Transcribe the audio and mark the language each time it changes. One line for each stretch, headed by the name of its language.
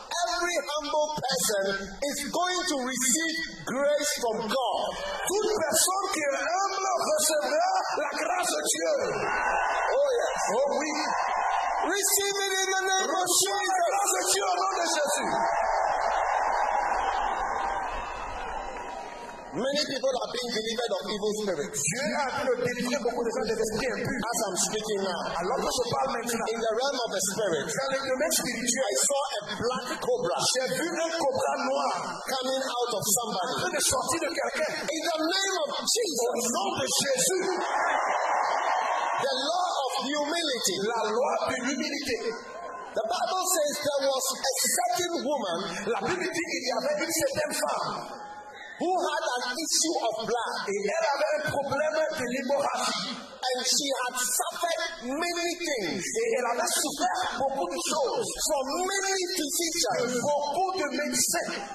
English: every humble person is going to receive grace from God.
French: Toute personne qui est humble recevra la grâce de Dieu.
English: Oh yes.
French: Oh oui.
English: Receive it in the name of Jesus.
French: La grâce de Dieu au nom de Jésus.
English: Many people have been delivered of evil spirits.
French: Dieu a délivré beaucoup de gens des esprits impurs.
English: As I'm speaking now,
French: alors que je parle maintenant,
English: in the realm of the spirit,
French: dans le domaine spirituel,
English: I saw a black cobra.
French: J'ai vu un cobra noir
English: coming out of somebody.
French: En train de sortir de quelqu'un.
English: In the name of Jesus.
French: Au nom de Jésus.
English: The law of humility.
French: La loi de l'humilité.
English: The Bible says there was a certain woman.
French: La Bible dit qu'il y avait une certaine femme.
English: Who had an issue of blood.
French: Et elle avait un problème de l'hémorragie.
English: And she had suffered many things.
French: Et elle avait souffert beaucoup de choses.
English: From many physicians.
French: Beaucoup de médecins.